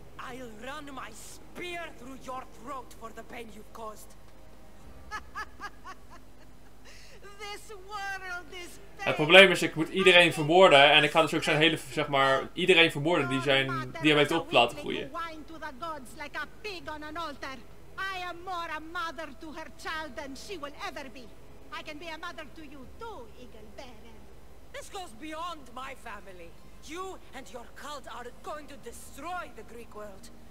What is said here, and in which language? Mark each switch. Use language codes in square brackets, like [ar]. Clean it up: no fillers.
[en] I'll run my spear through your throat for the pain you've caused. This world is pain. [nl] Het probleem is, ik moet iedereen vermoorden en ik ga dus ook zijn hele, zeg maar, iedereen vermoorden die zijn, die hem heeft op laten groeien. [en] Wine to the gods like a pig on an altar. I am more a mother to her child than she will ever be. I can be a mother to you too, Eagle Bearer. This goes beyond my family. You and your cult are going to destroy the Greek world.